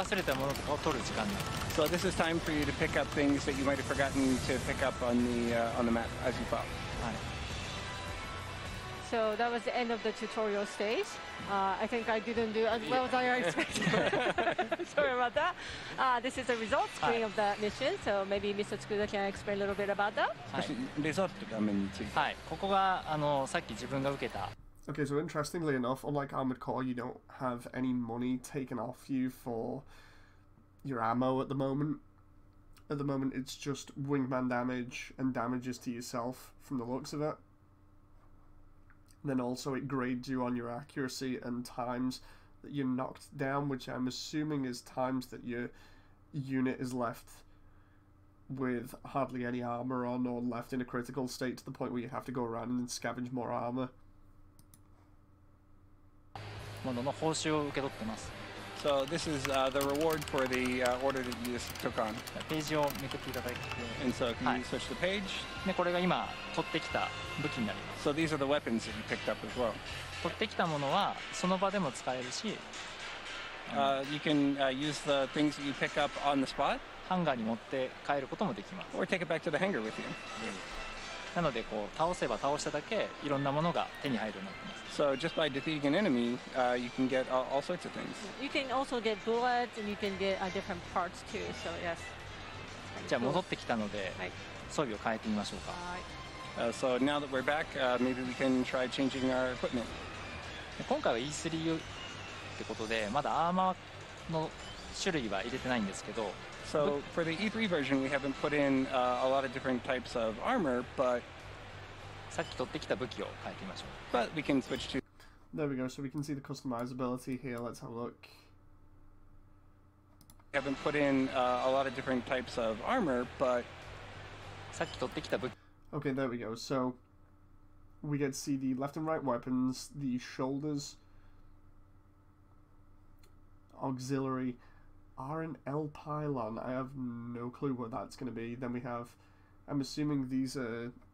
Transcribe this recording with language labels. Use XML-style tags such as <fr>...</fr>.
<en>So this is time for you to pick up things that you might have forgotten to pick up on the map as you fall. So that was the end of the tutorial stage. I think I didn't do as well as I expected. Sorry about that. This is the result screen of that mission, so maybe Mr. Tsukuda can explain a little bit about that.</en> <ja>Result 画面について。はい、ここがあのさっき自分が受けた。</ja> <en>Okay, so interestingly enough, unlike Armored Core, you don't have any money taken off you for your ammo at the moment. At the moment, it's just wingman damage and damages to yourself from the looks of it. Then also it grades you on your accuracy and times that you're knocked down, which I'm assuming is times that your unit is left with hardly any armor on or left in a critical state to the point where you have to go around and scavenge more armor. So this is the reward for the order that you just took on.</en> <ja>ページをめくっていただいて。</ja> <en>And so can you switch the page?</en> <ja>で、これが今取ってきた武器になります。</ja> <en>So these are the weapons that you picked up as well.</en> <ja>取ってきたものはその場でも使えるし、</ja> <en>You can use the things that you pick up on the spot.</en> <ja>ハンガーに持って帰ることもできます。</ja> <en>Or take it back to the hangar with you.</en> <ja>なのでこう倒せば倒しただけいろんなものが手に入るようになってます。</ja> <en>So just by defeating an enemy, you can get all sorts of things. You can also get bullets and you can get different parts too. So yes.</en> <ja>じゃあ戻ってきたので装備を変えてみましょうか。</ja> <en>So now that we're back, maybe we can try changing our equipment.</en> <ja>今回は E3 ってことでまだアーマーの種類は入れてないんですけど。</ja> <en>So for the E3 version, we haven't put in a lot of different types of armor, but</en> <ja>さっき取ってきた武器を変えてみましょう。</ja> <en>But we can switch to. There we go. So we can see the customizability here. Let's have a look. We haven't put in a lot of different types of armor, but</en> <ja>さっき取ってきた武器。</ja> <en>Okay, there we go. So we get to see the left and right weapons, the shoulders, auxiliary. R and L pylon, I have no clue what that's going to be. Then we have, I'm assuming these are</en>